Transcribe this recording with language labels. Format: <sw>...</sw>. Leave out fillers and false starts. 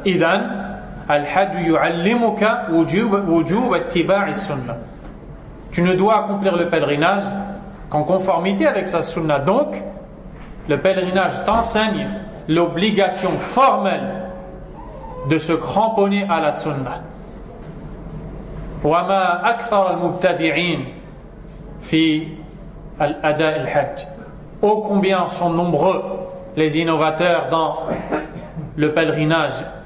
<ar>Idan, الحج يعلمك وجوب اتباع السنة.</ar> <fr>Tu ne dois accomplir le pèlerinage qu'en conformité avec sa sunna. Donc, le pèlerinage t'enseigne l'obligation formelle de se cramponner à la sunna.</fr> <ar>وما أكثر المبتدعين في الأداء الحج.</ar> <fr>Ô combien sont nombreux les innovateurs dans le pèlerinage.</fr>